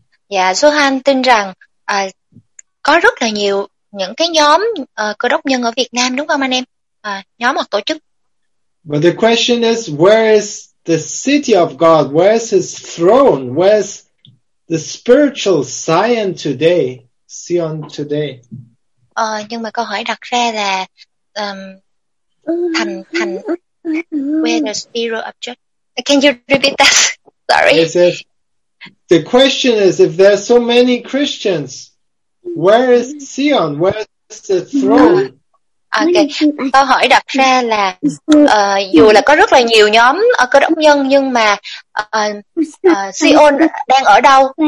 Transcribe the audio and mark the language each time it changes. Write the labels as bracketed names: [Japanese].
[Vietnamese] Johan tin rằng có rất là nhiều những cái nhóm cơ đốc nhân ở Việt Nam, đúng không anh em? Nhóm hoặc tổ chức. [English] But the question is, where is the city of God? Where is his throne? Where is the spiritual Zion today? Zion today. [Vietnamese] Nhưng mà câu hỏi đặt ra là thành [English] where the spiritual object? Can you repeat that? Sorry. It says, The question is, if there are so many Christians, where is Zion? Where is the throne? Okay. [Vietnamese] Câu hỏi đặt ra là dù là có rất là nhiều nhóm Cơ Đốc nhân nhưng mà Zion đang ở đâu?